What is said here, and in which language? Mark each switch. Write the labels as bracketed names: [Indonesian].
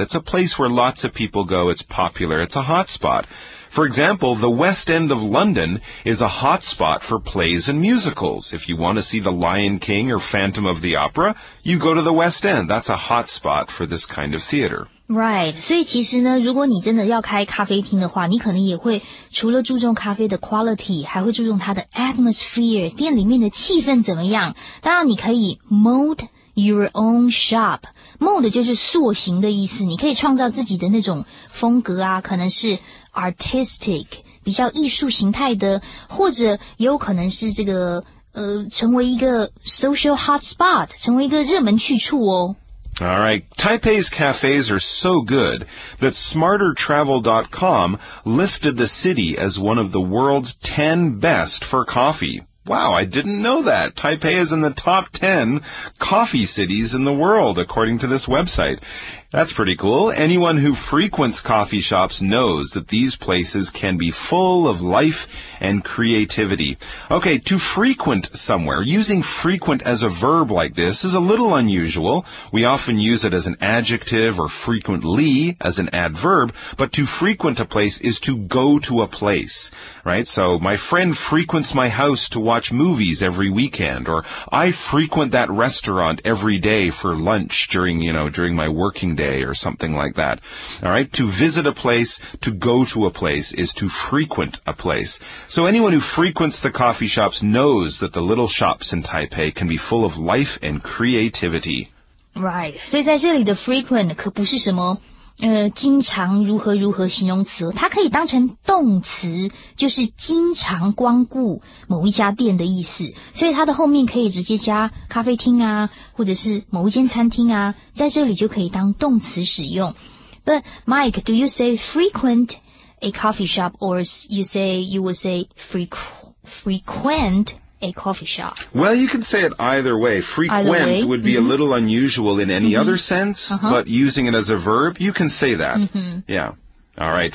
[English] It's a place where lots of people go. It's popular. It's a hotspot. For example, the West End of London is a hot spot for plays and musicals. If you want to see The Lion King or Phantom of the Opera, you go to the West End. That's a hot spot for this kind of theater. Right. [Chinese] 所以其实呢，如果你真的要开咖啡厅的话，你可能也会除了注重咖啡的 quality, 还会注重它的 atmosphere, 店里面的气氛怎么样。当然你可以 [English] mold your own shop. [Chinese] Mold 就是塑形的意思，你可以创造自己的那种风格啊，可能是 artistic, 比较艺术形态的，或者有可能是这个成为一个 social hotspot, 成为一个热门去处哦。 [English] All right. Taipei's cafes are so good that smartertravel.com listed the city as one of the world's 10 best for coffee. Wow, I didn't know that. Taipei is in the top 10 coffee cities in the world, according to this website. That's pretty cool. Anyone who frequents coffee shops knows that these places can be full of life and creativity. Okay, to frequent somewhere, using frequent as a verb like this is a little unusual. We often use it as an adjective or frequently as an adverb, but to frequent a place is to go to a place, right? So my friend frequents my house to watch movies every weekend, or I frequent that restaurant every day for lunch during, you know, during my working day or something like that. All right. To visit a place, to go to a place is to frequent a place. So anyone who frequents the coffee shops knows that the little shops in Taipei can be full of life and creativity. Right. [Chinese] 所以在这里的 frequent 可不是什么经常如何如何形容词，它可以当成动词，就是经常光顾某一家店的意思。所以它的后面可以直接加咖啡厅啊，或者是某一间餐厅啊，在这里就可以当动词使用。 [English] But Mike, do you say frequent a coffee shop, or you would say frequent? A coffee shop. Well, you can say it either way. Frequent would be a little unusual in any other sense, but using it as a verb, you can say that. Yeah. All right.